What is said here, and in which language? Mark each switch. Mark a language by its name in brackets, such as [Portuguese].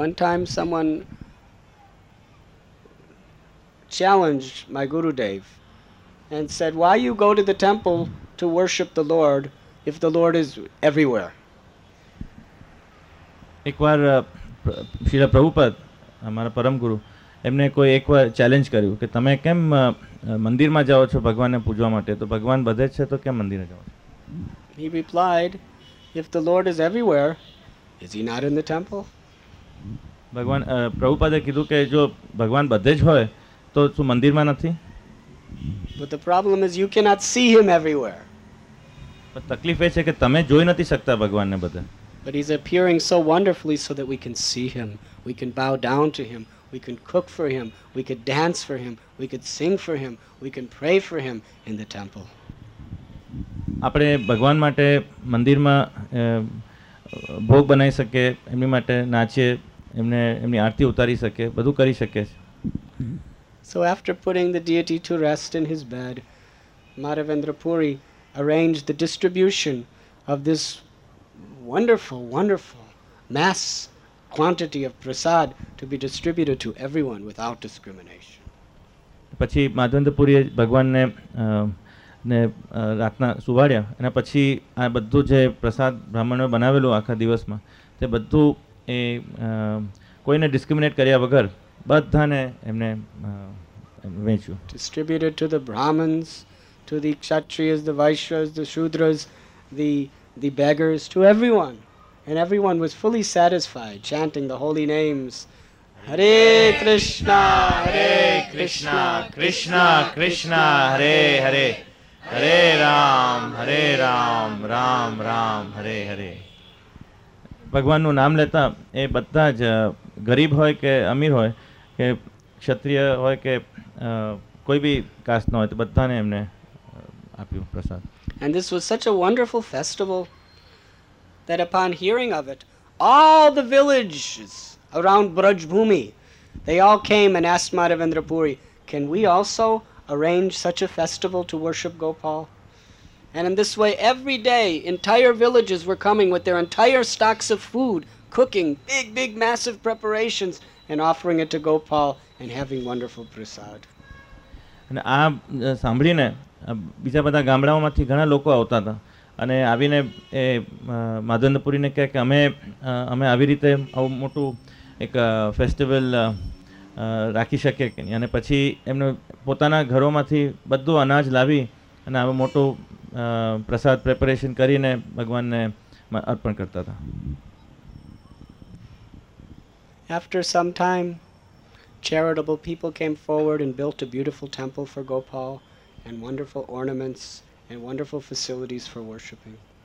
[English] One time someone challenged my Gurudev and said, why you go to the temple to worship the Lord if the Lord is everywhere? [Gujarati] એકવાર શ્રીલ પ્રભુપદ અમારા પરમ ગુરુ એમને કોઈ એકવાર challenge કર્યું કે તમે કેમ મંદિરમાં જાઓ છો ભગવાનને પૂજવા માટે, તો ભગવાન બધે છે તો કેમ મંદિરે જાઓ? [English] He replied, if the Lord is everywhere, is he not in the temple? [Gujarati] ભગવાન પ્રભુપદે કીધું કે જો ભગવાન બધે જ હોય તો શું મંદિરમાં નથી? [English] But the problem is you cannot see him everywhere. [Gujarati] પણ તકલીફ એ છે કે તમે જોઈ નથી શકતા ભગવાનને બધે. [English] But he's appearing so wonderfully so that we can see him, we can bow down to him, we can cook for him, we could dance for him, we could sing for him, we can pray for him in the temple. [Gujarati] આપણે ભગવાન માટે મંદિરમાં ભોગ બનાવી શકીએ, એમની માટે નાચીએ, એમને એમની આરતી ઉતારી શકીએ, બધું કરી શકીએ છીએ. [English] So after putting the deity to rest in his bed, Madhavendra Puri arranged the distribution of this wonderful, wonderful mass quantity of prasad to be distributed to everyone without discrimination. [Gujarati] પછી માધવેન્દ્ર પુરીએ ભગવાનને ને રાતના સુવાડ્યા અને પછી આ બધું જે પ્રસાદ બ્રાહ્મણોએ બનાવેલું આખા દિવસમાં તે બધું એ કોઈને ડિસ્ક્રિમિનેટ કર્યા વગર બધાને એમને વેચ્યું. [English] Distributed to the Brahmins, to the Kshatriyas, the Vaishyas, the Shudras, the beggars, to everyone. And everyone was fully satisfied, chanting the holy names. [Sanskrit] Hare Krishna, Hare Krishna, Krishna Krishna, Hare Hare, Hare Ram, Hare Ram, Ram Ram, Hare Hare. [Gujarati] ભગવાનનું નામ લેતા એ બધા જ ગરીબ હોય કે અમીર હોય કે ક્ષત્રિય હોય કે કોઈ બી કાસ્ટનો હોય તો બધાને એમને આપ્યું પ્રસાદ. [English] And this was such a wonderful festival that upon hearing of it, all the villages around Brajbhumi, they all came and asked Madhavendra Puri, can we also arrange such a festival to worship Gopal? And in this way, every day, entire villages were coming with their entire stocks of food, cooking big, big, massive preparations and offering it to Gopal and having wonderful prasad. [Gujarati] અને આ સાંભળીને બીજા બધા ગામડાઓમાંથી ઘણા લોકો આવતા હતા અને આવીને એ માધવેન્દ્રપુરીને કહે કે અમે અમે આવી રીતે આવું મોટું એક ફેસ્ટિવલ રાખી શકીએ કે નહીં, અને પછી એમને પોતાના ઘરોમાંથી બધું અનાજ લાવી અને આવું મોટું પ્રસાદ પ્રેપરેશન કરીને ભગવાનને અર્પણ કરતા હતા. [English] After some time, charitable people came forward and built a beautiful temple for Gopal and wonderful ornaments and wonderful facilities for worshiping.